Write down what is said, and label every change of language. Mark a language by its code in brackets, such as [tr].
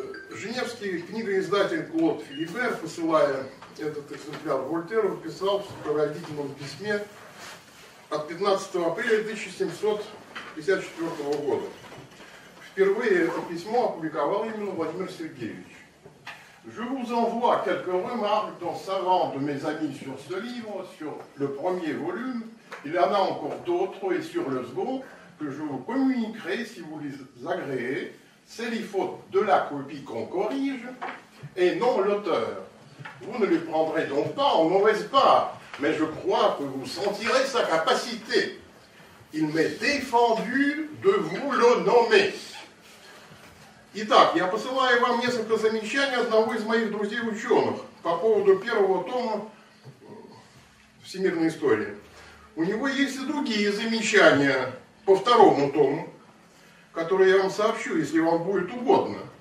[ru] Женевский книгоиздатель Клод Филибер, посылая этот экземпляр Вольтеру, писал в сопроводительном письме от 15 апреля 1754 года. Впервые это письмо опубликовал именно Владимир Сергеевич. [fr] Je vous envoie quelques remarques dans sa langue de mes amis sur ce livre, sur le premier volume. Il y en a encore d'autres et sur le second que je vous communiquerai si vous les agréez. C'est les fautes de la copie qu'on corrige et non l'auteur. Vous ne les prendrez donc pas en mauvaise part, mais je crois que vous sentirez sa capacité. Il m'est défendu de vous le nommer. [ru] Итак, я посылаю вам несколько замечаний одного из моих друзей-ученых по поводу первого тома «Всемирной истории». У него есть и другие замечания по второму тому, которые я вам сообщу, если вам будет угодно.